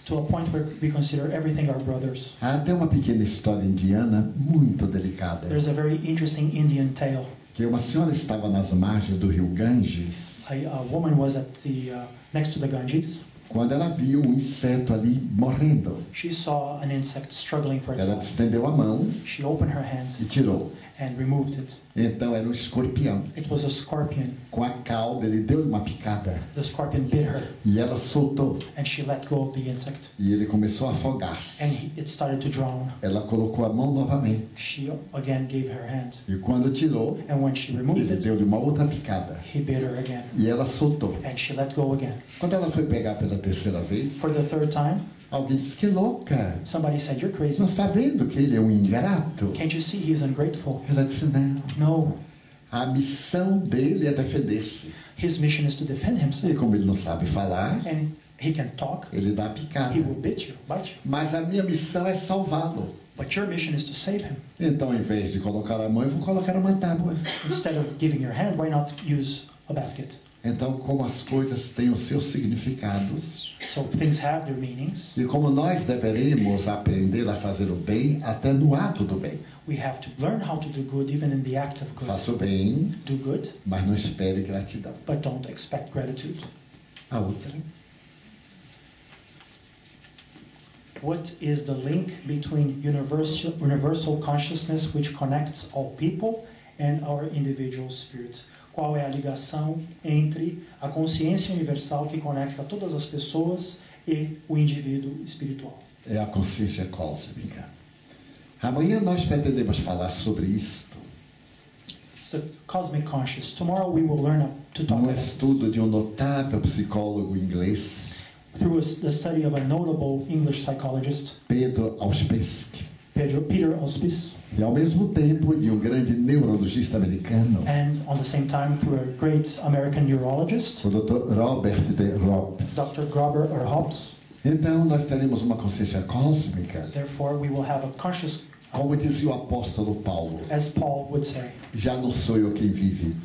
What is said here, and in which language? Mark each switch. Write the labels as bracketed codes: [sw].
[en] To a point where we consider everything our brothers. [pt] Há até uma pequena história indiana muito delicada. [en] There's a very interesting Indian tale. [pt] Que uma senhora estava nas margens do rio Ganges. [en] A woman was at the next to the Ganges. [pt] Quando ela viu um inseto ali morrendo. [en] She saw an insect struggling for its life. [pt] Ela estendeu a mão. [en] She opened her hand. [pt] E tirou. [en] And removed it. [pt] Então era um escorpião. [en] It was a scorpion. [pt] Com a cauda ele deu uma picada. [en] The scorpion bit her. [pt] E ela soltou. [en] And she let go of the insect. [pt] E ele começou a afogar-se. [en] And it started to drown. [pt] Ela colocou a mão novamente. [en] She again gave her hand. [pt] E quando tirou. [en] And when she removed [pt] ele [en] it. [pt] Ele deu uma outra picada. [en] He bit her again. [pt] E ela soltou. [en] And she let go again. [pt] Quando ela foi pegar pela terceira vez. [en] For the third time. [pt] Alguém disse, que louca. [en] Somebody said, you're crazy. [pt] Não está vendo que ele é um ingrato? [en] Can't you see he's ungrateful? [pt] Ela disse, não. [en] No. [pt] A missão dele é defender-se. [en] His mission is to defend himself. [pt] E como ele não sabe falar. [en] And he can talk. [pt] Ele dá a picada. [en] He will bit you, bite you. [pt] Mas a minha missão é salvá-lo. [en] But your mission is to save him. [pt] Então, em vez de colocar a mão, eu vou colocar uma tábua. [en] Instead of giving your hand, why not use a basket? [pt] Então, como as coisas têm os seus significados. [en] So things have their meanings. [pt] E como nós deveremos aprender a fazer o bem até no ato do bem. [en] We have to learn how to do good even in the act of good. [pt] Faça o bem. [en] Do good. [pt] Mas não espere gratidão. [en] But don't expect gratitude. [pt] A outra. [en] What is the link between universal consciousness which connects all people and our individual spirits? [pt] Qual é a ligação entre a consciência universal que conecta todas as pessoas e o indivíduo espiritual? É a consciência cósmica. Amanhã nós pretendemos falar sobre isto. [en] It's the cosmic conscious. Tomorrow we will learn to talk about it. [pt] No estudo de um notável psicólogo inglês. [en] Through the study of a notable English psychologist. [pt] Pedro Auspice. [en] Peter Auspice. [pt] E ao mesmo tempo de um grande neurologista americano. [en] And on the same time through a great American neurologist. [pt] O Dr. Robert de Robs. [en] Dr. Grober or Hobbs. [pt] Então nós teremos uma consciência cósmica. [en] Therefore we will have a conscious. [pt] Como dizia o apóstolo Paulo. [en] As Paul would say. [pt] Já não sou eu quem vive.